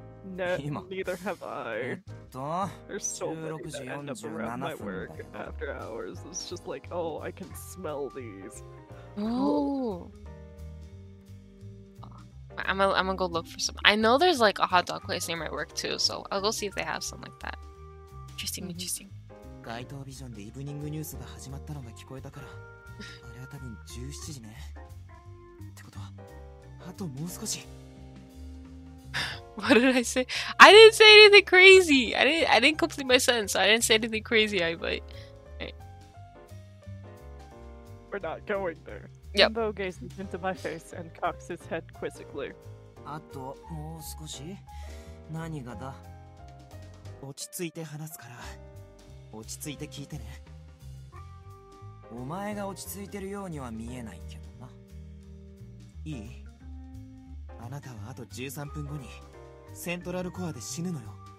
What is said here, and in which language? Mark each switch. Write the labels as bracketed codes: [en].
[en] No, neither have I. There's so many that end up around my work after hours. It's just like, oh, I can smell these. Ooh. Ooh. I'm gonna go look for some. I know there's like a hot dog place near my work too, so I'll go see if they have some like that. Interesting, interesting. [ja] 街頭ビジョンでイブニングニュースが始まったのが聞こえたから、あれは多分17時ね。ってことは、あともう少し。 [en] What did I say? I didn't say anything crazy. I didn't complete my sentence. I didn't say anything crazy. I but. We're not going there. Yep. Limbo gazes into my face and cocks his head quizzically. [ja] あともう少し何がだ落ち着いて話すから落ち着いて聞いてねお前が落ち着いてるようには見えないけどないいあなたはあと13分後にセントラルコアで死ぬのよ